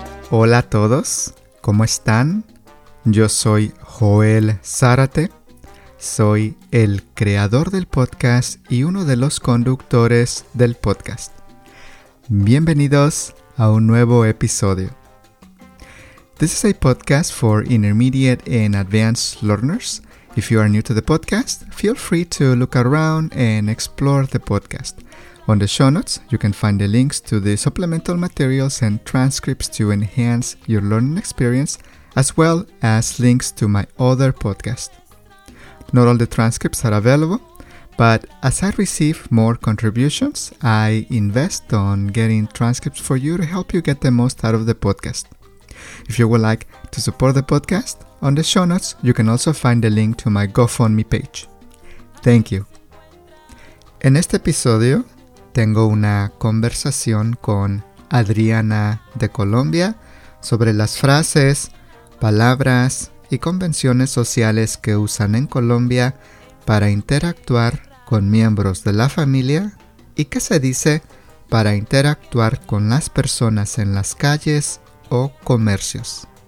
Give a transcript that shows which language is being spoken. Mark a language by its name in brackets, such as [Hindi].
[Spanish] Hola a todos, ¿cómo están? Yo soy Joel Zárate, soy el creador del podcast y uno de los conductores del podcast. Bienvenidos a un nuevo episodio. [English] This is a podcast for intermediate and advanced learners. If you are new to the podcast, feel free to look around and explore the podcast. On the show notes, you can find the links to the supplemental materials and transcripts to enhance your learning experience, as well as links to my other podcast. Not all the transcripts are available, but as I receive more contributions, I invest on getting transcripts for you to help you get the most out of the podcast. If you would like to support the podcast, on the show notes, you can also find the link to my GoFundMe page. Thank you. [Spanish] En este episodio, tengo una conversación con Adriana de Colombia sobre las frases, palabras y convenciones sociales que usan en Colombia para interactuar con miembros de la familia y que se dice para interactuar con las personas en las calles o comercios.